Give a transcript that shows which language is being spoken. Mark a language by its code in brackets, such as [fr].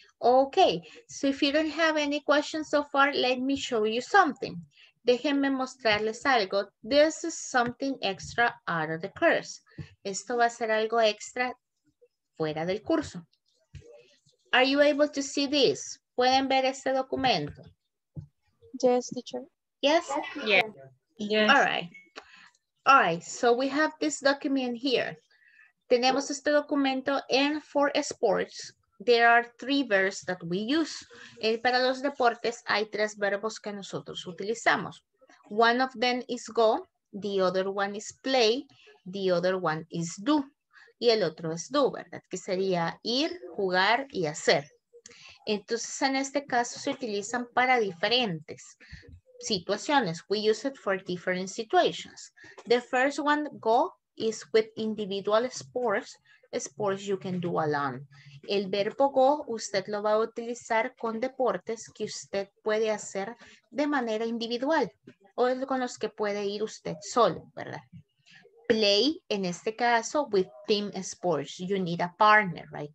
[en] Okay, so if you don't have any questions so far, let me show you something. [es] Déjenme mostrarles algo. [en] This is something extra out of the course. [es] Esto va a ser algo extra fuera del curso. [en] Are you able to see this? [es] ¿Pueden ver este documento? [en] Yes, teacher. Yes? Yes. All right. All right, so we have this document here. [es] Tenemos este documento [en] and for sports. There are three verbs that we use. [es] Para los deportes hay tres verbos que nosotros utilizamos. [en] One of them is go, the other one is play, the other one is do. [es] Y el otro es do, ¿verdad? Que sería ir, jugar y hacer. Entonces, en este caso se utilizan para diferentes situaciones. [en] We use it for different situations. The first one, go, is with individual sports. Sports you can do alone. [es] El verbo go, usted lo va a utilizar con deportes que usted puede hacer de manera individual o con los que puede ir usted solo, ¿verdad? [en] Play, [es] en este caso, [en] with team sports. You need a partner, right?